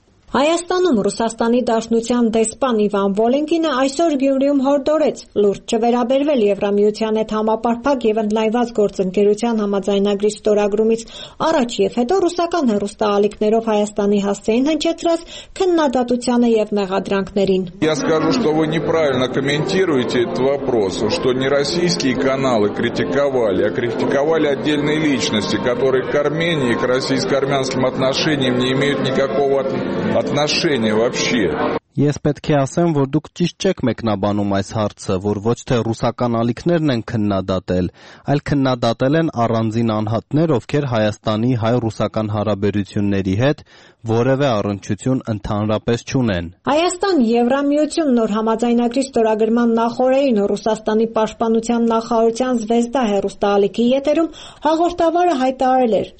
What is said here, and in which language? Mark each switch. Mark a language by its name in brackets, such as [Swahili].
[Armenian] Հայաստանում Ռուսաստանի Դաշնության դեսպան Իվան Վոլենկինը այսօր Գյումրիում հորդորեց լուրջ չվերաբերվել Եվրամիության հետ համապարփակ և ընդլայնված գործընկերության համաձայնագրի ստորագրումից, առաջ և հետո ռուսական հեռուստաալիքներով Հայաստանի հասցեին հնչեցրած քննադատությանը և մեղադրանքներին։ [Russian] Я скажу, что вы неправильно комментируете этот вопрос, что не российские каналы критиковали, а критиковали отдельные личности, которые к Армении, к российско-армянским отношениям не имеют никакого отношения вообще. [Armenian] Ես պետք է ասեմ, որ դուք ճիշտ չեք մեկնաբանում այս հարցը, որ ոչ թե ռուսական ալիքներն են քննադատել, այլ քննադատել են առանձին անհատներ, ովքեր Հայաստանի հայ-ռուսական հարաբերությունների հետ որևէ առնչություն ընդհանրապես չունեն։ Հայաստանը Եվրամիություն նոր համաձայնագրի ստորագրման նախորդին Ռուսաստանի պաշտպանության նախարարության Զվեզդա հեռուստաալիքի եթերում հաղորդավարը հայտարարել էր.